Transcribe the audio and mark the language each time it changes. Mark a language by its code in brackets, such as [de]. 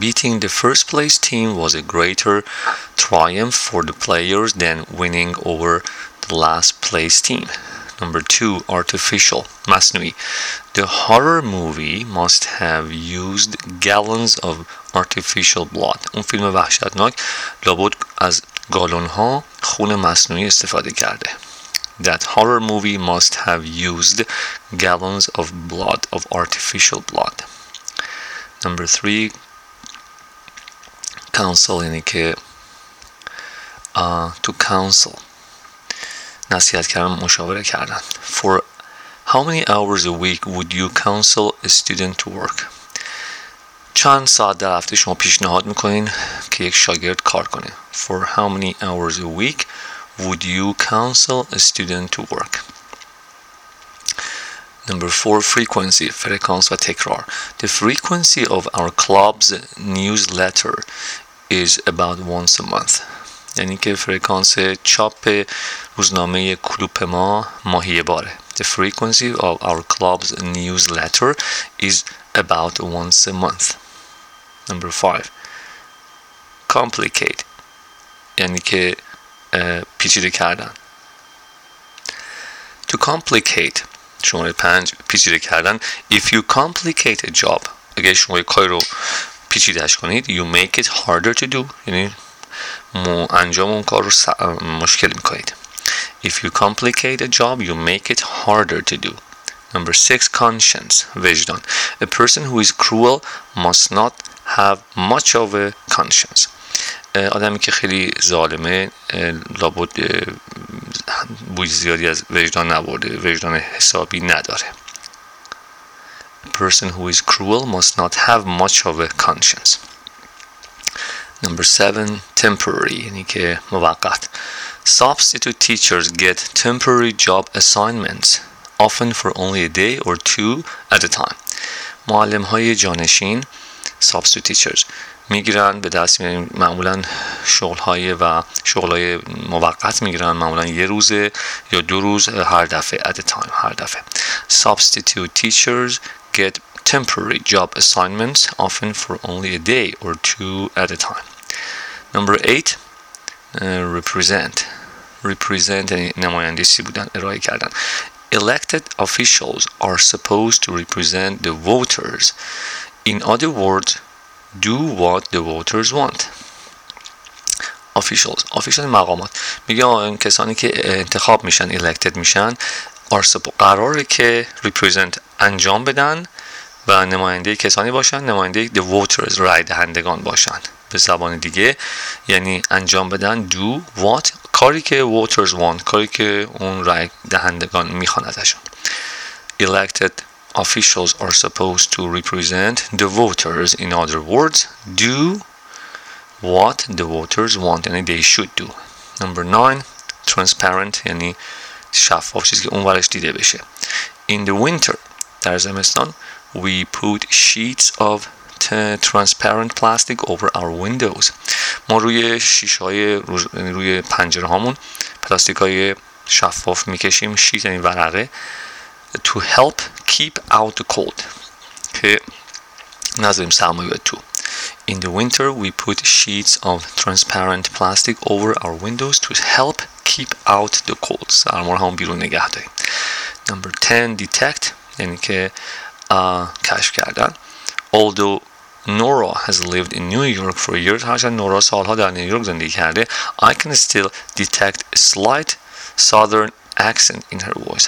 [en] Beating the first place team was a greater triumph for the players than winning over the last place team. Number 2, artificial, مصنوعی. The horror movie must have used gallons of artificial blood. [fa] اون فیلم وحشتناک لابد از گالون‌ها خون مصنوعی استفاده کرده. [en] That horror movie must have used gallons of blood, of artificial blood. Number 3, counsel, [fa] یعنی که [en] to counsel. [fa] نصیحت کردن، مشاوره کردن. [en] For how many hours a week would you counsel a student to work? [fa] چند ساعت در هفته شما پیشنهاد میکنین که یک شاگرد کار کنه؟ [en] For how many hours a week would you counsel a student to work? Number 4, frequency, frequency [fa] و تکرار. [en] The frequency of our club's newsletter is about once a month. [fa] یعنی که فرکانس چاپ روزنامه کلوپ ما ماهی باره. [en] The frequency of our club's newsletter is about once a month. Number 5, complicate. [fa] یعنی که پیچیده کردن. [en] To complicate. [fa] شماره 5, پیچیده کردن. [en] If you complicate a job. [fa] اگه شما یک کار رو پیچیدهش کنید. [en] You make it harder to do. [fa] یعنی انجام اون کار رو مشکل میکنید. [en] If you complicate a job, you make it harder to do. Number 6, conscience, وجدان. A person who is cruel must not have much of a conscience. [fa] آدمی که خیلی ظالمه لابد بوی زیادی از وجدان نبرده، وجدان حسابی نداره. [en] A person who is cruel must not have much of a conscience. Number 7, temporary, [fa] یعنی که موقت. [en] Substitute teachers get temporary job assignments, often for only a day or two at a time. [fa] معلم های جانشین, [en] substitute teachers, [fa] میگیرن به دست میگیرن معمولا شغل های و شغل های موقت میگیرن معمولا یه روز یا دو روز هر دفعه, [en] at a time, [fa] هر دفعه. [en] Substitute teachers get temporary job assignments, often for only a day or two at a time. Number 8, represent. [fa] Represent, نمایندگی بودن، ارائه کردن. [en] Elected officials are supposed to represent the voters. In other words, do what the voters want. Officials, official مقامات. [fa] میگه اون کسانی که انتخاب میشن, elected میشن, قراره که represent انجام بدن و نماینده کسانی باشن, نماینده [en] the voters, [fa] رای دهندگان باشن. به زبان دیگه یعنی انجام بدن [en] do what, [fa] کاری که [en] voters want, [fa] کاری که اون رای دهندگان میخوان ازشون. [en] Elected officials are supposed to represent the voters. In other words, do what the voters want, یعنی they should do. Number 9, transparent, [fa] یعنی شفاف, چیزی که اون ورش دیده بشه. [en] In the winter, [fa] در زمستان, [en] we put sheets of transparent plastic over our windows. [fa] ما روی شیشه‌های روی پنجره‌هامون پلاستیک‌های شفاف می‌کشیم, شیت یعنی ورقه, [en] to help keep out the cold. [fa] که نذاریم سرمایه بیاد تو. [en] In the winter we put sheets of transparent plastic over our windows to help keep out the cold. [fa] سرمایه‌هامون بیرون نگه داریم. [en] Number 10, detect, [fa] یعنی که کشف کردن. [en] Although Nora has lived in New York for years. [fa] هرچند نورا سالها در نیویورک زندگی کرده. [en] I can still detect a slight southern accent in her voice.